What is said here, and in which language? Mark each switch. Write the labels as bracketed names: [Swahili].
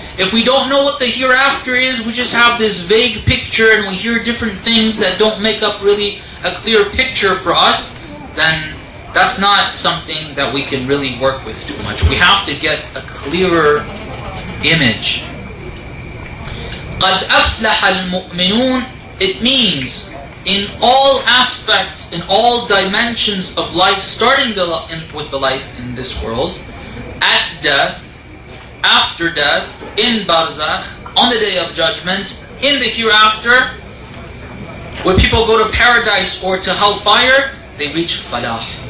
[English] If we don't know what the hereafter is, we just have this vague picture and we hear different things that don't make up really a clear picture for us, then that's not something that we can really work with too much. We have to get a clearer image. [Arabic] قَدْ أَفْلَحَ الْمُؤْمِنُونَ [English] It means in all aspects, in all dimensions of life, starting with the life in this world, at death, after death, in Barzakh, on the Day of Judgment, in the hereafter, when people go to paradise or to hellfire, they reach falah.